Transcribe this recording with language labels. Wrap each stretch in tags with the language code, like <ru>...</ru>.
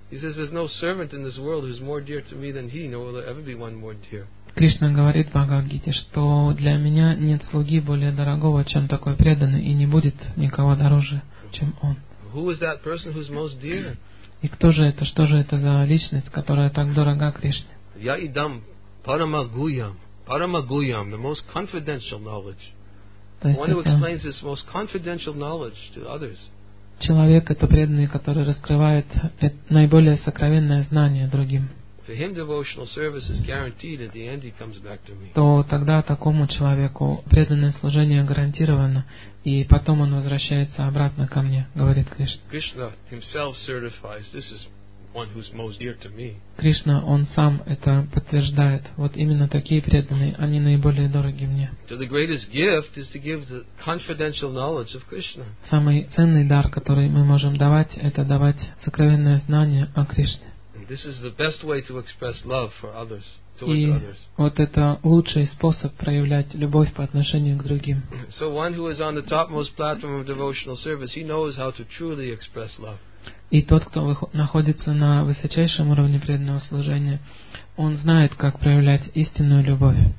<en>He says there's no servant in this world who's more dear to me than he, nor will there ever be one more dear.</en> <ru>Кришна говорит в Бхагавад-гите, что для меня нет слуги более дорогого, чем такой преданный, и не будет никого дороже, чем он.</ru> <en>Who is that person who's most dear?</en> <ru>И кто же это? Что же это за личность, которая так дорога Кришне?</ru> <sa>Я идам парамагуям. Paramaguyam,</sa> <en>the most confidential knowledge. One who explains this most confidential knowledge to others.</en> <ru>Человек это преданный, который раскрывает наиболее сокровенное знание другим.</ru> <en>For him, devotional service is guaranteed. At the end, he comes back to me.</en> <ru>То тогда такому человеку преданное служение гарантировано, и потом он возвращается обратно ко мне, говорит Кришна.</ru> <en>Krishna himself certifies this is. One who's most dear to me.</en> <ru>Кришна, он сам это подтверждает. Вот именно такие преданные, они наиболее дороги мне.</ru> <en>So the greatest gift is to give the confidential knowledge of Krishna.</en> <ru>Самый ценный дар, который мы можем давать, это давать сокровенное знание о Кришне.</ru> <en>This is the best way to express love for others.</en> <ru>И вот это лучший способ проявлять любовь по отношению к другим.</ru> <en>So one who is on the topmost platform of devotional service, he knows how to truly express love.</en> <ru>И тот, кто находится на высочайшем уровне преданного служения, он знает, как проявлять истинную любовь.</ru>